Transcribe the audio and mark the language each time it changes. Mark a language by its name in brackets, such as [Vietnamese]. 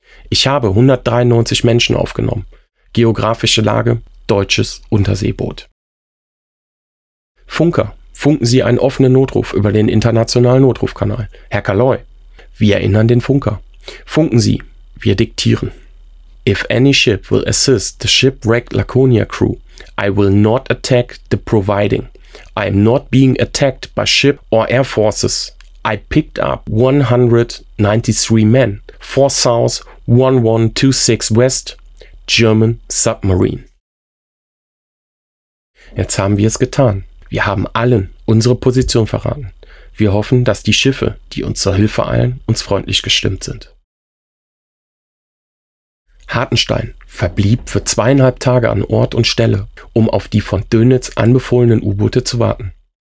[German] Ich habe 193 Menschen aufgenommen. Geografische Lage: deutsches Unterseeboot. Funker, funken Sie einen offenen Notruf über den internationalen Notrufkanal. Herr Kaloy, wir erinnern den Funker. Funken Sie, wir diktieren. [English] If any ship will assist the shipwrecked Laconia crew, I will not attack the providing. I am not being attacked by ship or air forces. I picked up 193 men, 4 South, 1126 West, German Submarine. [German] Jetzt haben wir es getan. Wir haben allen unsere Position verraten. Wir hoffen, dass die Schiffe, die uns zur Hilfe eilen, uns freundlich gestimmt sind. Hartenstein verblieb für 2,5 Tage an Ort und Stelle, um auf die von Dönitz anbefohlenen U-Boote zu warten.